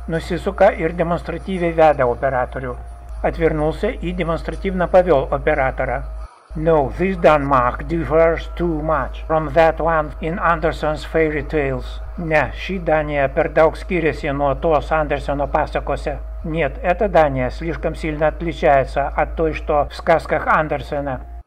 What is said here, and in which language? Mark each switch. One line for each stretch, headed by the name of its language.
Lithuanian: Nusisuka ir demonstratyviai veda operatorių.
Russian: Отвернулся и демонстративно повел оператора.
English: No, this Denmark differs too much from that one in Andersen's fairy tales.
Lithuanian: Ne, ši Danija per daug skiriasi nuo tos Andersen'o pasakose.
Russian: Нет, эта Дания слишком сильно отличается от той, что в сказках Андерсена.